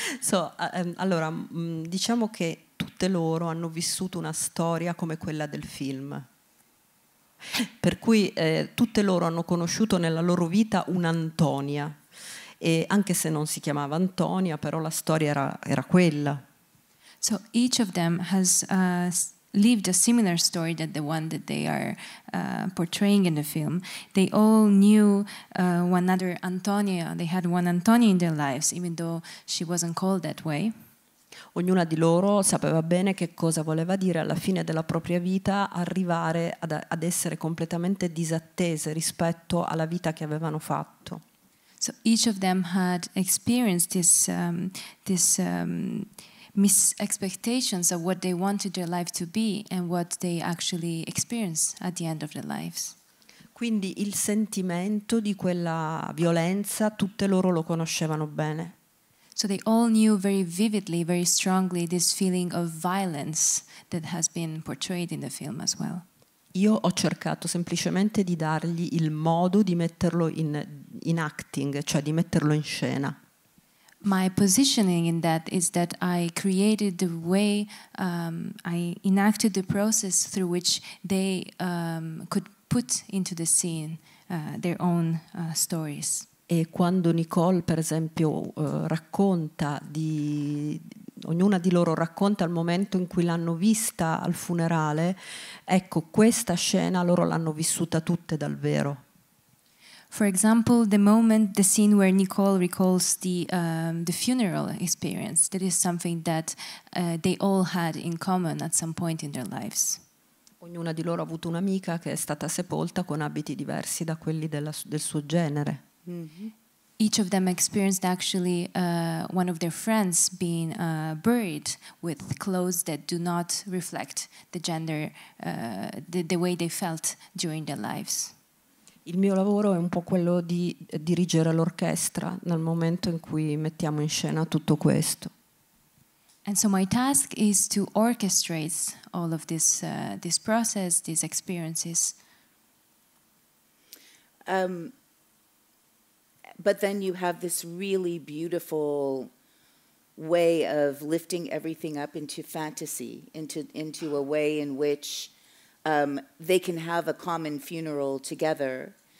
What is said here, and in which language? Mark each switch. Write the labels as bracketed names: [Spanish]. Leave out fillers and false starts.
[Italian] So, allora, diciamo che tutte loro hanno vissuto una storia come quella del film. Per cui tutte loro hanno conosciuto nella loro vita un'Antonia. E anche se non si chiamava Antonia, però la storia era quella. [English] So, each of them has lived a similar story than the one that they are portraying in the film. They all knew one another Antonia. They had one Antonia in their lives, even though she wasn't called that way. [Italian] Ognuna di loro sapeva bene che cosa voleva dire alla fine della propria vita arrivare ad essere completamente disattese rispetto alla vita che avevano fatto. [English] So each of them had experienced this mis expectations of what they wanted their life to be and what they actually experience at the end of their lives. [Italian] Quindi il sentimento di quella violenza tutte loro lo conoscevano bene. [English] So they all knew very vividly, very strongly this feeling of violence that has been portrayed in the film as well. [Italian] Io ho cercato semplicemente di dargli il modo di metterlo in acting, cioè di metterlo in scena. [English] My positioning in that is that I created the way, I enacted the process through which they could put into the scene their own stories. [Italian] E quando Nicole, per esempio, racconta di... Ognuna di loro racconta il momento in cui l'hanno vista al funerale, ecco, questa scena loro l'hanno vissuta tutte dal vero. [English] For example, the scene where Nicole recalls the funeral experience, that is something that they all had in common at some point in their lives. [Italian] Ognuna di loro ha avuto un'amica che è stata sepolta con abiti diversi da quelli del suo genere. Mm-hmm. [English] Each of them experienced actually one of their friends being buried with clothes that do not reflect the gender, the way they felt during their lives. [Italian] Il mio lavoro è un po' quello di dirigere l'orchestra nel momento in cui mettiamo in scena tutto questo. [English] And so my task is to orchestrate all of this this process, these experiences. But then you have this really beautiful way of lifting everything up into fantasy, into a way in which they can have a common funeral together.